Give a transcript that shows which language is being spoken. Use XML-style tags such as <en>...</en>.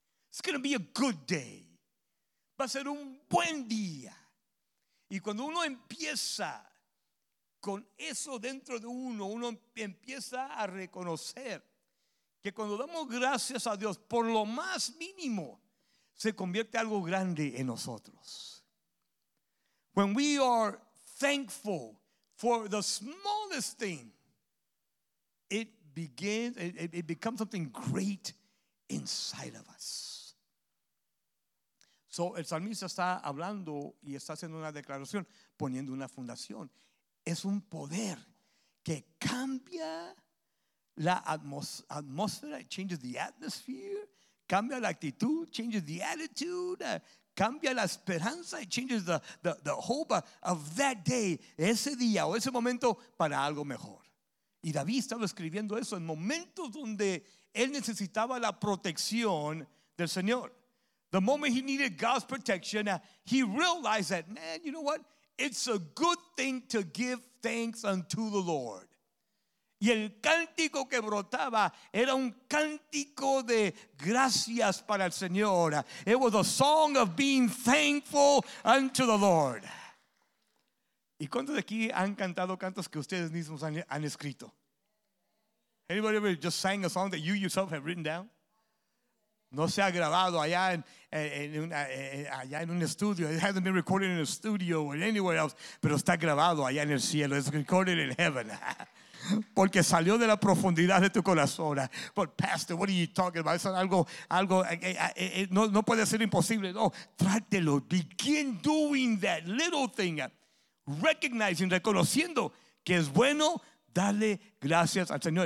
<en>It's going to be a good day.</en> <es>Va a ser un buen día. Y cuando uno empieza con eso dentro de uno, uno empieza a reconocer que cuando damos gracias a Dios, por lo más mínimo, se convierte algo grande en nosotros.</es> <en>When we are thankful for the smallest thing, it becomes something great inside of us.</en> <es>So, el salmista está hablando y está haciendo una declaración, poniendo una fundación. Es un poder que cambia la atmósfera,</es> <en>changes the atmosphere,</en> <es>cambia la actitud,</es> <en>changes the attitude,</en> <es>cambia la esperanza,</es> <en>it changes the hope of that day,</en> <es>ese día o ese momento para algo mejor. Y David estaba escribiendo eso en momentos donde él necesitaba la protección del Señor.</es> <en>The moment he needed God's protection, he realized that, man, you know what? It's a good thing to give thanks unto the Lord.</en> <es>Y el cántico que brotaba era un cántico de gracias para el Señor.</es> <en>It was a song of being thankful unto the Lord.</en> <es>¿Y cuántos de aquí han cantado cantos que ustedes mismos han escrito?</es> <en>Anybody ever just sang a song that you yourself have written down?</en> <es>No se ha grabado allá en un estudio.</es> <en>It hasn't been recorded in a studio or anywhere else.</en> <es>Pero está grabado allá en el cielo.</es> <en>It's recorded in heaven.</en> <es>Porque salió de la profundidad de tu corazón.</es> <en>But pastor, what are you talking about?</en> <es>Es algo no puede ser imposible. No, trátelo.</es> <en>Begin doing that little thing. Recognizing,</en> <es>reconociendo que es bueno darle gracias al Señor.</es>